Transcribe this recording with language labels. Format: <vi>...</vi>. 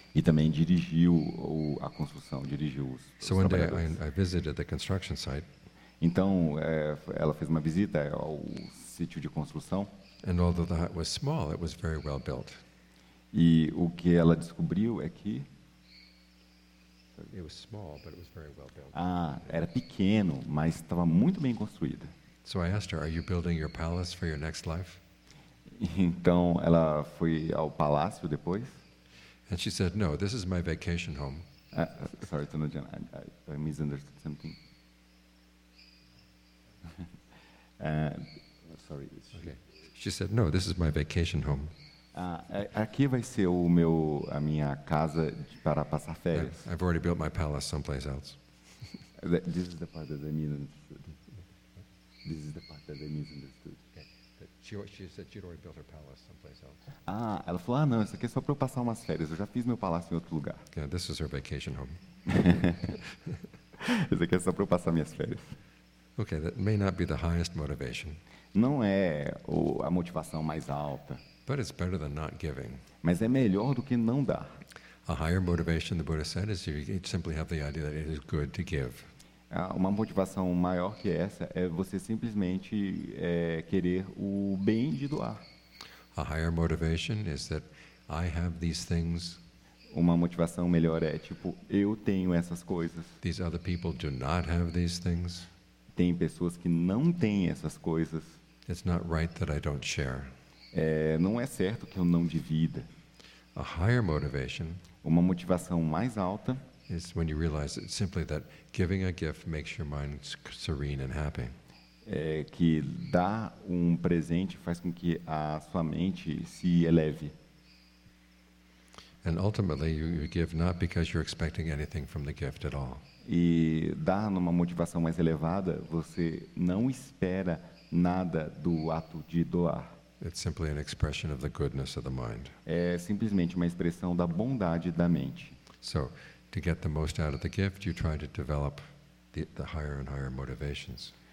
<pt>E também dirigiu a construção, dirigiu os</pt> <en>so</en> <pt>trabalhadores.</pt> <en>So one day I visited the construction site.</en> <pt>Então, ela fez uma visita ao sítio de construção.</pt> <en>And although the hut was small, it was very well built.</en> <pt>E o que ela descobriu é que</pt> <en>it was small, but it was very well built.</en> <pt>Ah, era pequeno, mas estava muito bem construída.</pt> <en>So I asked her, "Are you building your palace for your next life?"</en> <pt>Então ela foi ao palácio depois.</pt> <en>And she said, "No, this is my vacation home." Sorry, Tona Jana, I misunderstood something. Sorry. Okay. She said, "No, this is my vacation home."</en> <pt>Aqui vai ser a minha casa para passar férias.</pt> <en>I've already built my palace someplace else. This is the part that I misunderstood. This is the part that I misunderstood. She said she'd already built her palace someplace else.</en> <pt>Ah, ela falou, não, isso aqui é só para eu passar umas férias. Eu já fiz meu palácio em outro lugar.</pt> <en>Yeah, this is her vacation home.</en> <pt>Isso aqui é só para eu passar minhas férias.</pt> <en>Okay, that may not be the highest motivation.</en> <pt>Não é a motivação mais alta.</pt> <en>But it's better than not giving.</en> <pt>Mas é melhor do que não dar.</pt> <en>A higher motivation, the Buddha said, is you simply have the idea that it is good to give.</en> <pt>Uma motivação maior que essa é você simplesmente querer o bem de doar.</pt> <en>A higher motivation is that I have these things.</en> <pt>Uma motivação melhor é tipo eu tenho essas coisas.</pt> <en>These other people do not have these things.</en> <pt>Tem pessoas que não têm essas coisas.</pt> <en>It's not right that I don't share.</en> <pt>Não é certo que eu não divida.</pt> <en>A higher motivation.</en> <pt>Uma motivação mais alta.</pt> <en>Is when you realize it's simply that giving a gift makes your mind serene and happy.</en> <pt>Que dar presente faz com que a sua mente se eleve.</pt> <en>And ultimately, you give not because you're expecting anything from the gift at all.</en> <pt>E dar numa motivação mais elevada, você não espera nada do ato de doar.</pt> <en>It's simply an expression of the goodness of the mind.</en> <pt>Simplesmente uma expressão da bondade da mente.</pt> <en>So, to get the most out of the gift, you try to develop the higher and higher motivations.</en>